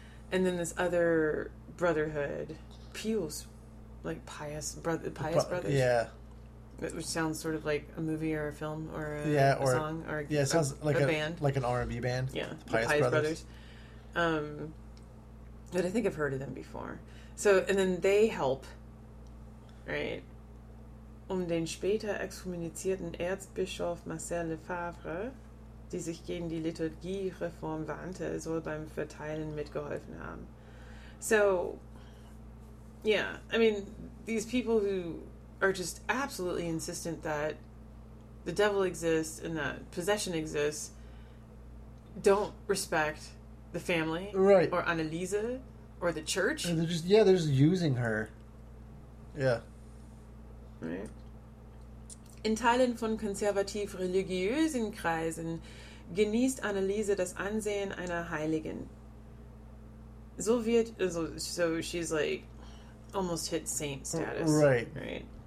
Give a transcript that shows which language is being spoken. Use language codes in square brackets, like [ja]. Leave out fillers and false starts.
[en] And then this other brotherhood, Pius, like pious brother, pious brothers. Yeah. Which sounds sort of like a movie or a film or a, or, a song or yeah, it sounds like a band. Like an R&B band. Yeah, the pious brothers. But I think I've heard of them before. So, and then they help, right? [de] Den später exkommunizierten Erzbischof Marcel Lefebvre, die sich gegen die Liturgiereform wandte, soll beim Verteilen mitgeholfen haben. [en] So, yeah, I mean, these people who are just absolutely insistent that the devil exists and that possession exists don't respect the family, right, or Anneliese or the church. And they're just, yeah, they're just using her. Yeah. Right. [de] In Teilen von konservativ-religiösen Kreisen genießt Anneliese das Ansehen einer Heiligen. So wird, also, [en] so she's like almost hit saint status. Right. Right.